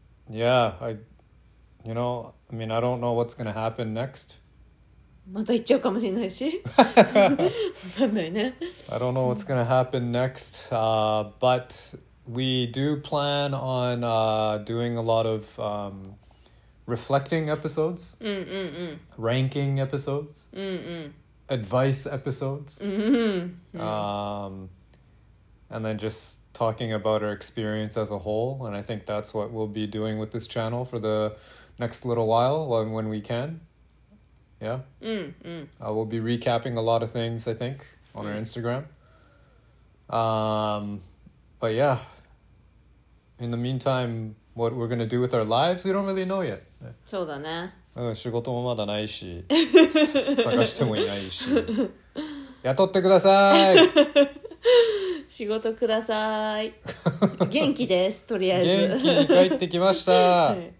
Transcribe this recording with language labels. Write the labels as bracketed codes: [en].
[en] Yeah, I don't know what's gonna happen next. [ja] また行っちゃうかもしれないし、わかんないね。 [en] I don't know what's gonna happen next, but we do plan on doing a lot of reflecting episodes, ranking episodes, advice episodes, and then just talking about our experience as a whole. And I think that's what we'll be doing with this channel for the next little while, when we can. Yeah. We'll be recapping a lot of things, I think, on our Instagram. But yeah. In the meantime, what we're gonna do with our lives, we don't really know yet. [ja] そうだね。仕事もまだないし、探してもいないし。雇ってください。仕事ください。元気です。とりあえず。元気に帰ってきました。